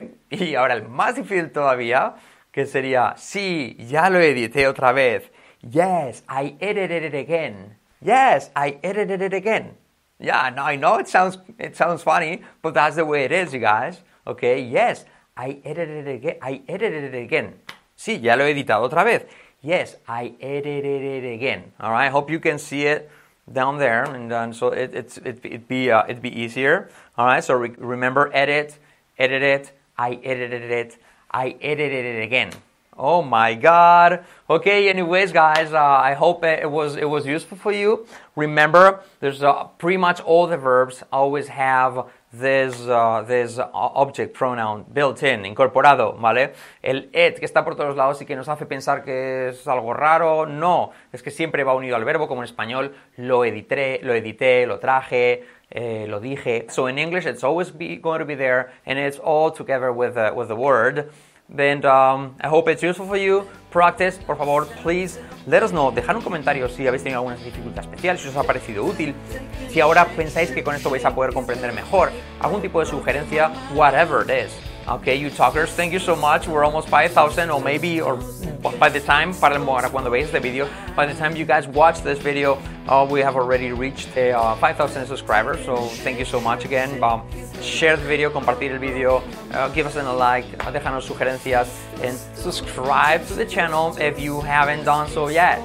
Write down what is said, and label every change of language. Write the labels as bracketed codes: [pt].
[es] Y ahora el más difícil todavía, que sería, sí, ya lo edité otra vez. [en] Yes, I edited it again. Yes, I edited it again. Yeah, no, I know it sounds funny, but that's the way it is, you guys. Okay, yes, I edited it again. [es] Sí, ya lo he editado otra vez. [en] Yes, I edited it again. All right, I hope you can see it down there, and so it'd be easier. All right, so remember, edit it, I edited it again. Oh my God. Okay, anyways, guys, I hope it was useful for you. Remember, there's pretty much all the verbs always have this object pronoun built in, [es] incorporado, ¿vale? El it que está por todos lados y que nos hace pensar que es algo raro, no. Es que siempre va unido al verbo, como en español, lo edité, lo traje, lo dije. [en] So in English, it's always going to be there, and it's all together with the word. Then I hope it's useful for you. Practice, [es] por favor, [en] please. Let us know. [es] Dejad un comentario si habéis tenido alguna dificultad especial, si os ha parecido útil, si ahora pensáis que con esto vais a poder comprender mejor, algún tipo de sugerencia, [en] whatever it is. Okay, you talkers, thank you so much. We're almost 5,000, or by the time, [es] para el momento cuando veis este video, [en] by the time you guys watch this video, we have already reached 5,000 subscribers. So thank you so much again. Share the video, [es] compartir el video, [en] give us a like, [es] déjanos sugerencias, [en] and subscribe to the channel if you haven't done so yet.